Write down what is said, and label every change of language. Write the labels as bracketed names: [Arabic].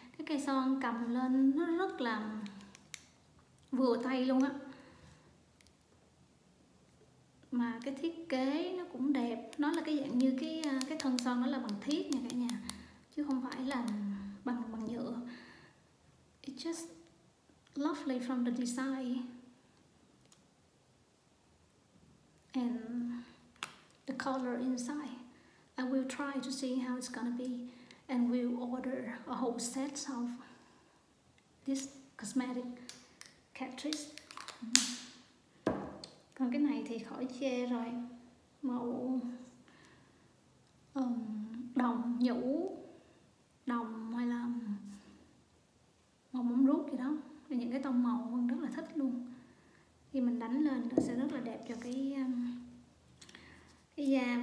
[Vietnamese] Cái cây son cầm lên nó rất là vừa tay luôn á, mà cái thiết kế nó cũng đẹp. Nó là cái dạng như cái thân son nó là bằng thiết nha cả nhà, chứ không phải là bằng nhựa. [English] It's just lovely from the design and the color inside. I will try to see how it's gonna be and we'll order a whole set of this cosmetic Catrice. [Vietnamese] Còn cái này thì khỏi chê rồi. Màu đồng, nhũ, đồng hay là màu bóng rút gì đó. Và những cái tông màu Vân rất là thích luôn. Khi mình đánh lên nó sẽ rất là đẹp cho cái da.